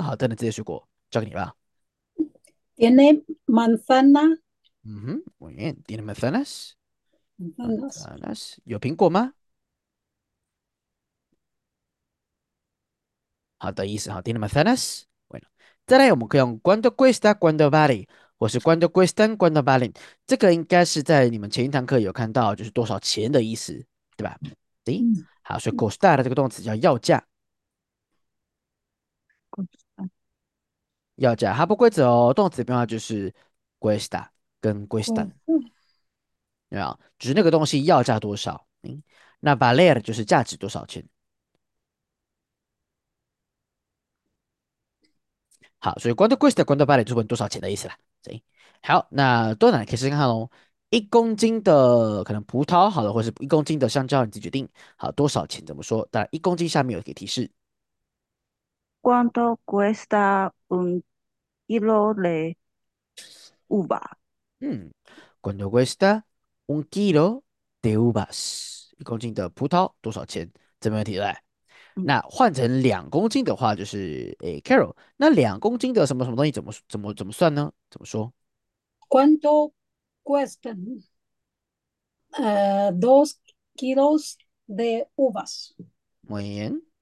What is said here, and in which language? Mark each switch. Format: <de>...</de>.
<zh>好，等等这些水果交给你吧。</zh> <es>Tiene manzana,</es> <zh>嗯哼，我念，</zh> <es>tiene manzanas， manzanas,</es> <zh>manzanas 有苹果吗？好的意思哈，</zh> <es>tiene manzanas。</es> <zh>再来，我们可以用</zh> <es>cuánto cuesta, cuánto vale，</es> <zh>或是</zh> <es>cuánto cuestan, cuánto valen。</es> <zh>这个应该是在你们前一堂课有看到，就是多少钱的意思，对吧？对，好，所以 costar 的这个动词叫要价，要价。它不规则哦，动词变化就是 cuesta 跟 cuestan，对吧？就是那个东西要价多少。那 valer 就是价值多少钱。好，所以</zh> <es>cuánto cuesta, cuánto vale</es> <zh>就问多少钱的意思啦。行，好，那多难可以试试看喽。 1公斤的可能葡萄好了，或是1公斤的香蕉，你自己决定。好，多少钱怎么说？当然，1公斤下面有给提示。</zh> <es>¿Cuánto cuesta un kilo de uva?</es> <zh>嗯，</zh> <es>cuánto cuesta un kilo de uvas</es> <zh>1公斤的葡萄多少钱？这没问题对。那换成2公斤的话，就是Carol，那2公斤的什么什么东西怎么算呢？怎么说？</zh> <es>¿Cuánto cuestan dos kilos de uvas? Muy bien.</es>